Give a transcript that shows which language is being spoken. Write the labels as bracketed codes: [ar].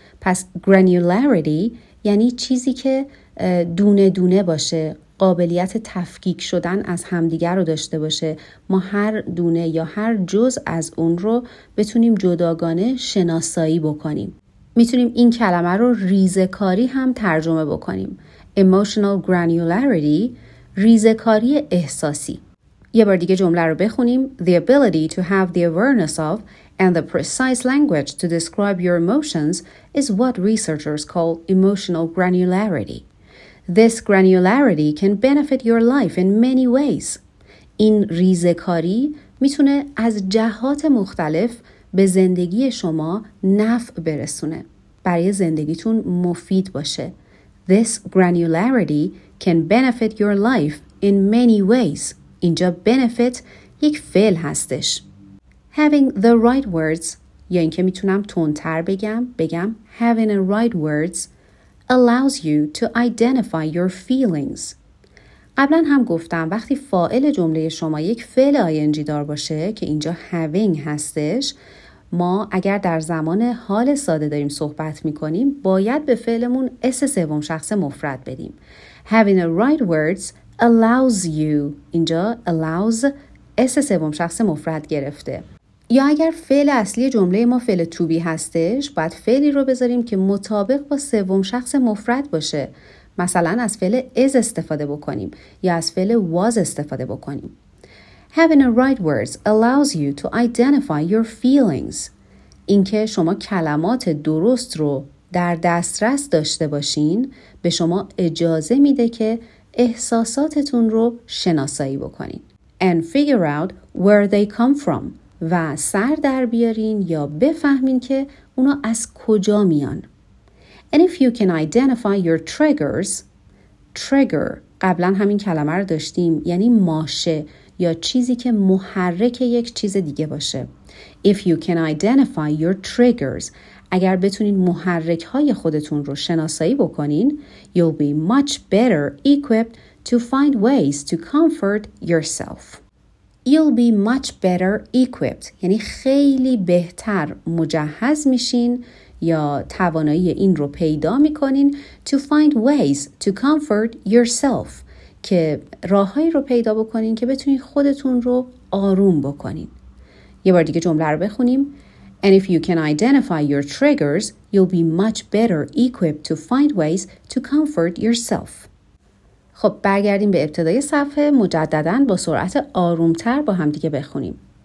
[fa] پس granularity یعنی چیزی که دونه دونه باشه، قابلیت تفکیک شدن از همدیگر رو داشته باشه، ما هر دونه یا هر جز از اون رو بتونیم جداگانه شناسایی بکنیم. میتونیم این کلمه رو ریزکاری هم ترجمه بکنیم، emotional granularity، ریزکاری احساسی. یه بار دیگه جمله رو بخونیم. [en] The ability to have the awareness of and the precise language to describe your emotions is what researchers call emotional granularity. This granularity can benefit your life in many ways. [fa] این ریزکاری میتونه از جهات مختلف به زندگی شما نفع برسونه، برای زندگیتون مفید باشه. [en] This granularity can benefit your life in many ways. [fa] اینجا benefit یک فعل هستش. [en] Having the right words، [fa] یا اینکه میتونم تندتر بگم [en] having the right words allows you to identify your feelings. [fa] قبلا هم گفتم وقتی فاعل جمله شما یک فعل ing دار باشه که اینجا having هستش، ما اگر در زمان حال ساده داریم صحبت میکنیم باید به فعلمون اس سوم شخص مفرد بدیم. [en] Having the right words allows you، [fa] اینجا allows اس سوم شخص مفرد گرفته. یا اگر فعل اصلی جمله ما فعل to be هستش، باید فعلی رو بذاریم که مطابق با سوم شخص مفرد باشه. مثلا از فعل is استفاده بکنیم یا از فعل was استفاده بکنیم. [en] Having the right words allows you to identify your feelings. [fa] اینکه شما کلمات درست رو در دسترس داشته باشین به شما اجازه میده که احساساتتون رو شناسایی بکنین. [en] And figure out where they come from. [fa] و سر در بیارین یا بفهمین که اونا از کجا میان. [en] And if you can identify your triggers. [fa] Trigger قبلا همین کلمه رو داشتیم، یعنی ماشه یا چیزی که محرک یک چیز دیگه باشه. [en] If you can identify your triggers، [fa] اگر بتونین محرک های خودتون رو شناسایی بکنین، [en] you'll be much better equipped to find ways to comfort yourself. You'll be much better equipped [fa] یعنی خیلی بهتر مجهز میشین یا توانایی این رو پیدا میکنین [en] to find ways to comfort yourself، [fa] که راههایی رو پیدا بکنین که بتونین خودتون رو آروم بکنین. یه بار دیگه جمله رو بخونیم. [en] And if you can identify your triggers, you'll be much better equipped to find ways to comfort yourself. [fa] خب برگردیم به ابتدای صفحه مجدداً با سرعت آرومتر با هم دیگه بخونیم.